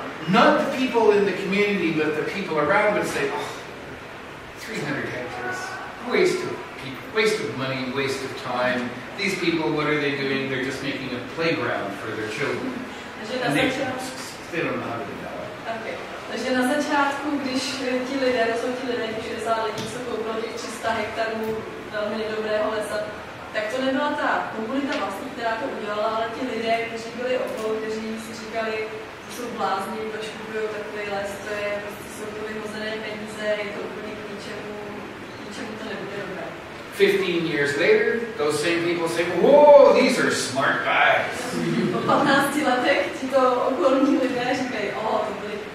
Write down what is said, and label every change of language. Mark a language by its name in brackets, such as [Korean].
[English] Not the people in the community, but the people around would say, oh, 300 hectares, waste of money, waste of time. These people, what are they doing? They're just making a playground for their children. They don't know how to do that. Okay. [Czech] Takže na začátku, když ti lidé, to jsou ti lidé, 60 lidí, co koupilo těch 300 hektarů velmi nedobrého lesa, tak to nebyla ta komunita vlastní, která to udělala, ale ti lidé, kteří byli okolo, kteří si říkali, že jsou blázni, proč kupují takový les, to je prostě, jsou to vyhozené peníze, je to úplně k ničemu to nebude dobré. [English] 15 years later, those same people say, whoa, these are smart guys. [Czech] Po 15 letech ti to okolní lidé říkají, oh, to byli.